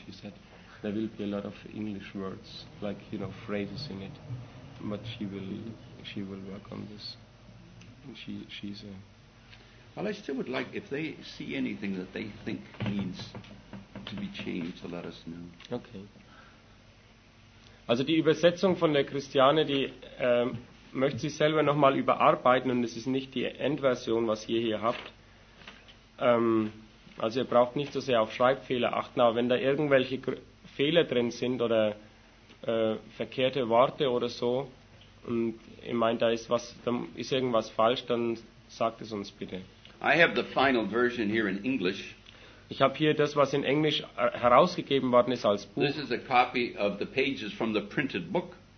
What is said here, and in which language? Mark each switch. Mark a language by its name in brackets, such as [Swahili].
[English] She said there will be a lot of English words, like, you know, phrases in it. But she will work on this. She's a... Well, I still would like, if they see anything that they think needs to be changed, to let us know. Okay. [German] Also die Übersetzung von der Christiane, die möchte sie selber nochmal überarbeiten, und es ist nicht die Endversion, was ihr hier habt. Also ihr braucht nicht so sehr auf Schreibfehler achten, aber wenn da irgendwelche Fehler drin sind oder verkehrte Worte oder so, und ihr meint, da ist irgendwas falsch, dann sagt es uns bitte. [English] I have the final version here in English. [German] Ich habe hier das, was in Englisch herausgegeben worden ist als Buch. [English] This is a copy of the pages from the printed book.